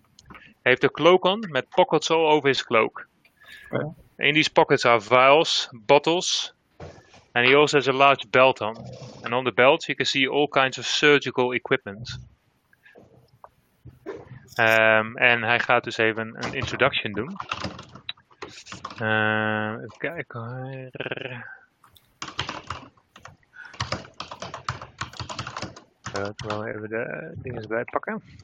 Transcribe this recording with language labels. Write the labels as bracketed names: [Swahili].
[Dutch] Hij heeft een [English] cloak on [Dutch] met [English] pockets all over his cloak. Okay. In these pockets are vials, bottles. And he also has a large belt on. And on the belt you can see all kinds of surgical equipment. [Dutch] En hij gaat dus even een introduction doen. Even kijken hoor. Ik wil even de dingen erbij pakken.